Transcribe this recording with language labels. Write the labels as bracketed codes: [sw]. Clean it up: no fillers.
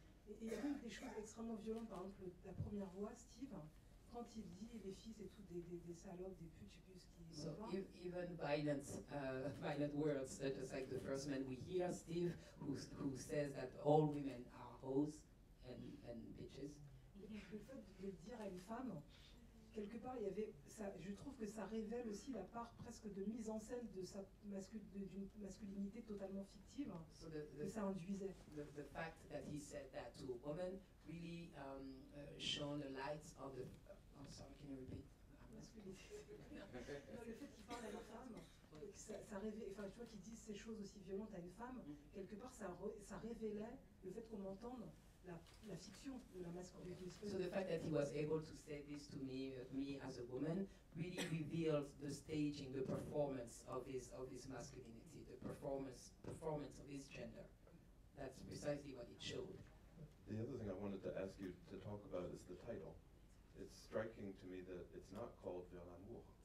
[fr] Et il y a même des choses extrêmement violentes, par exemple la première voix, Steve. Quand il dit les filles c'est tout des salopes, des putes, je sais plus ce qu'il so entend. [en] So even violent words, just like the first man we hear, Steve, who says that all women are hoes and bitches. [fr] Le fait de le dire à une femme, quelque part il y avait ça, je trouve que ça révèle aussi la part presque de mise en scène de sa d'une masculinité totalement fictive [en] so the, [fr] que ça induisait. [en] The fact that he said that to a woman really shone a light of the. Sorry, can you repeat? [fr] non, le fait qu'il parle à une femme, et que ça révèle, enfin, tu vois, qu'ils disent ces choses aussi violentes à une femme, quelque part, ça révélait le fait qu'on entende la fiction de la masculinité. [en] So the fact that he was able to say this to me, me as a woman, really revealed the staging, the performance of his masculinity, the performance of his gender. That's precisely what it showed. The other thing I wanted to ask you to talk about is the title. It's striking to me that it's not called Vers l'amour.